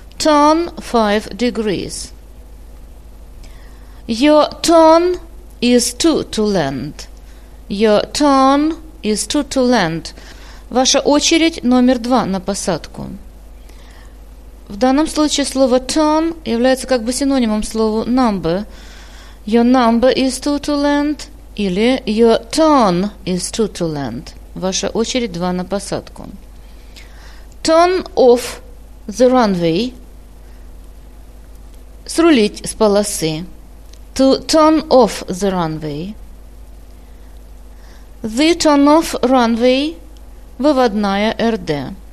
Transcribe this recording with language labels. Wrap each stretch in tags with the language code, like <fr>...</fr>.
<en>Turn 5 degrees. Your turn is to land. Your turn is to land.</en> <ru>Ваша очередь номер 2 на посадку. В данном случае слово turn является как бы синонимом слову number.</ru> <en>Your number is to land. Или your turn is to land.</en> <ru>Ваша очередь 2 на посадку.</ru> <en>Turn off the runway.</en> <ru>Срулить с полосы.</ru> <en>To turn off the runway. The turn off runway.</en> <ru>Выводная РД.</ru>